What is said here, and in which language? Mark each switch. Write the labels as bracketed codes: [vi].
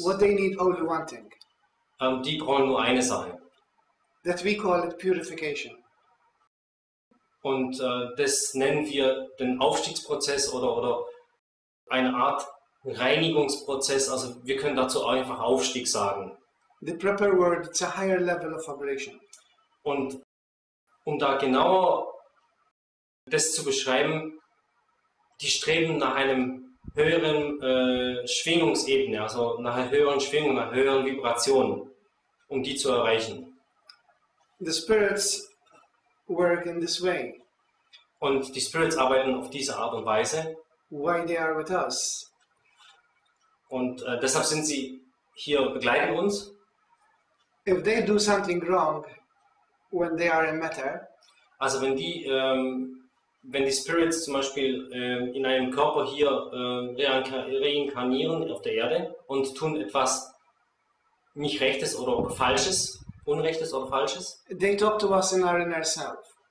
[en] What they need only one thing. [de] Die brauchen nur eine Sache. [en] That we call it purification. [de] Und das nennen wir den Aufstiegsprozess oder eine Art Reinigungsprozess. Also wir können dazu einfach Aufstieg sagen. [en] The proper word, it's a higher level of vibration. [de] Und um da genauer das zu beschreiben, die streben nach einem höheren Schwingungsebene, also nach einer höheren Schwingung, nach höheren Vibrationen, um die zu erreichen. [en] The spirits work in this way. [de] Und die Spirits arbeiten auf diese Art und Weise. [en] Why they are with us. [de] Und deshalb sind sie hier, begleiten uns. [en] If they do something wrong when they are in matter. [de] Also wenn die die Spirits zum Beispiel in einem Körper hier reinkarnieren auf der Erde und tun etwas nicht Rechtes oder Falsches, Unrechtes oder Falsches, [en] they talk to us in our inner self.